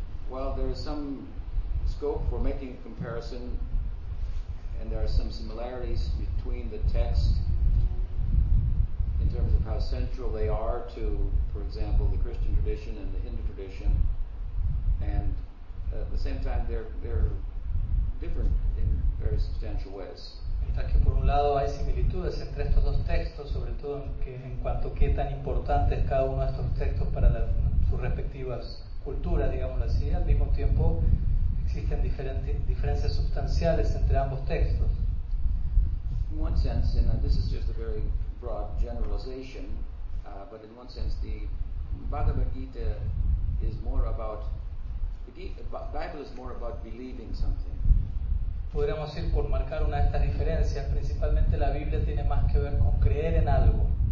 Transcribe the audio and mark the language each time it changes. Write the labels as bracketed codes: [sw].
[en] Well, there is some scope for making a comparison, and there are some similarities between the texts in terms of how central they are to, for example, the Christian tradition and the Hindu tradition. And at the same time, they're different in very substantial ways. [es] Mientras que por un lado hay similitudes entre estos dos textos, sobre todo en cuanto a qué tan importante es cada uno de estos textos para sus respectivas cultura, digámoslo así, al mismo tiempo existen diferencias sustanciales entre ambos textos. [en] In one sense, and this is just a very broad generalization, but in one sense, the Bhagavad Gita is more about, Bible is more about believing something. [es] Podríamos ir por marcar una de estas diferencias, principalmente la Biblia tiene más que ver con creer en algo.